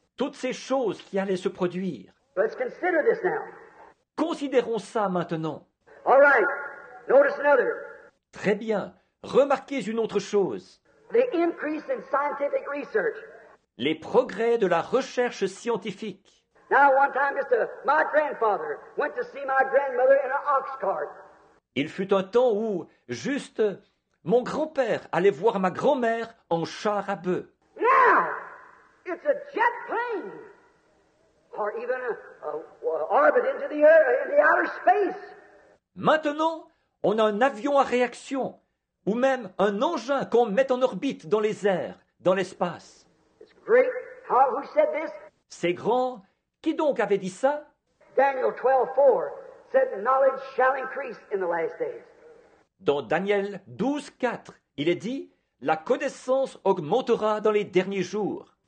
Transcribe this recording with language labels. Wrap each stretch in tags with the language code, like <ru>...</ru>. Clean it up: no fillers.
<fr>Toutes ces choses qui allaient se produire.</fr> <en>Let's consider this now.</en> <fr>Considérons ça maintenant.</fr> <en>All right. Notice another.</en> <fr>Très bien. Remarquez une autre chose.</fr> <en>The increase in scientific research.</en> <fr>Les progrès de la recherche scientifique.</fr> <en>Now one time my grandfather went to see my grandmother in an ox cart.</en> <fr>Il fut un temps où, juste, mon grand-père allait voir ma grand-mère en char à bœuf.</fr> <en>Now, it's a jet plane, or even a orbit into the air, in the outer space.</en> <fr>Maintenant, on a un avion à réaction, ou même un engin qu'on met en orbite dans les airs, dans l'espace.</fr> <en>It's great. How, who said this?</en> <fr>C'est grand. Qui donc avait dit ça?</fr> <en>Daniel 12:4. Said knowledge shall increase in the last days.</en> <fr>Dans Daniel 12:4, il est dit, la connaissance augmentera dans les derniers jours.</fr>